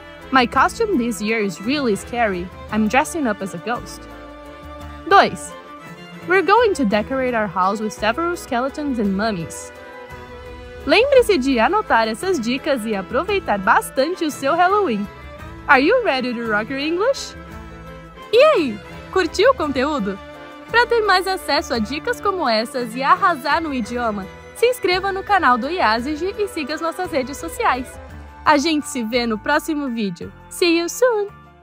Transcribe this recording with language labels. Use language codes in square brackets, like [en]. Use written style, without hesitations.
[en] My costume this year is really scary. I'm dressing up as a ghost. 2. We're going to decorate our house with several skeletons and mummies. [pt] Lembre-se de anotar essas dicas e aproveitar bastante o seu Halloween. [en] Are you ready to rock your English? [pt] E aí, curtiu o conteúdo? Para ter mais acesso a dicas como essas e arrasar no idioma, se inscreva no canal do Yazigi e siga as nossas redes sociais. A gente se vê no próximo vídeo. [en] See you soon!